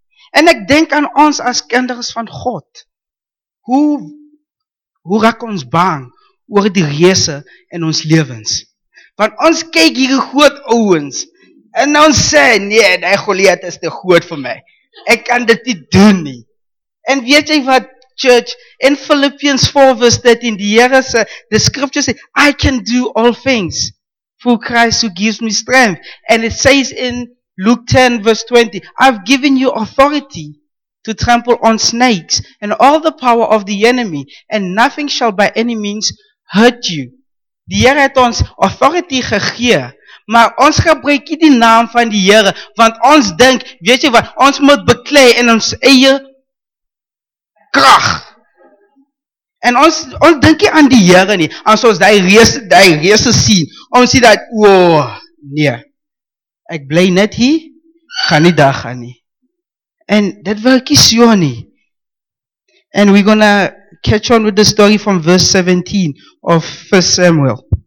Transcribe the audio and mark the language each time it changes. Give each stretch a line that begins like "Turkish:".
Afrikaans: En ek denk aan ons as kinders van God. Hoe raak ons bang oor die reëse in ons lewens? Want ons kyk hierdie groot ouens en ons sê, nee, die Goliath is te groot vir my. Ek kan dit nie doen nie. En weet jy wat, church, in Philippians 4 verse 13, die Here sê,
English: the scripture
Afrikaans: sê,
English: I can do all things through Christ who gives me strength. And it says in Luke 10 verse 20, I've given you authority to trample on snakes and all the power of the enemy, and nothing shall by any means hurt you.
Afrikaans: Die Here het ons authority gegee, maar ons gebruik nie die naam van die Here, want ons dink, weet jy wat, ons moet beklei in ons eie krag. En ons dink nie aan die Here nie, as ons die reëse sien, ons sien dat, nee, ek bly net hier, gaan nie daar gaan nie. En dit werk nie so nie.
English: And we're gonna catch on with the story from verse 17 of 1 Samuel.